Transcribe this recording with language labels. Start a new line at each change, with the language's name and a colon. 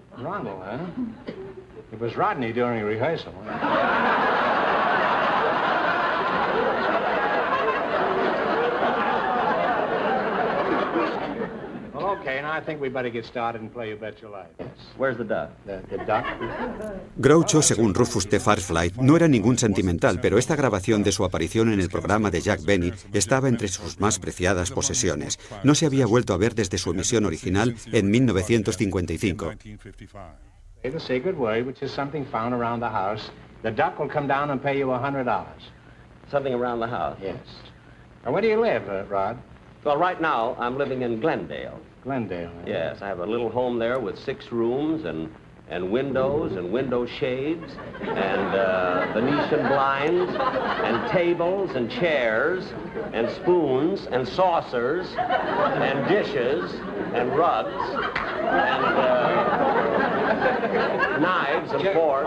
English: Ronald, huh? It was Rodney during rehearsal. Well, okay, now I think we better get started and play You Bet Your Life. Where's the duck? The duck?
Spanish: Groucho, según Rufus T. Farflight, no era ningún sentimental, pero esta grabación de su aparición en el programa de Jack Benny estaba entre sus más preciadas posesiones. No se había vuelto a ver desde su emisión original en 1955.
English: The secret word, which is something found around the house. The duck will come down and pay you $100. Something around the house? Yes. And where do you live, Rod? Well, right now, I'm living in Glendale. Glendale, eh? Yes, I have a little home there with six rooms and windows and window shades and Venetian blinds and tables and chairs and spoons and saucers and dishes and rugs and knives and forks.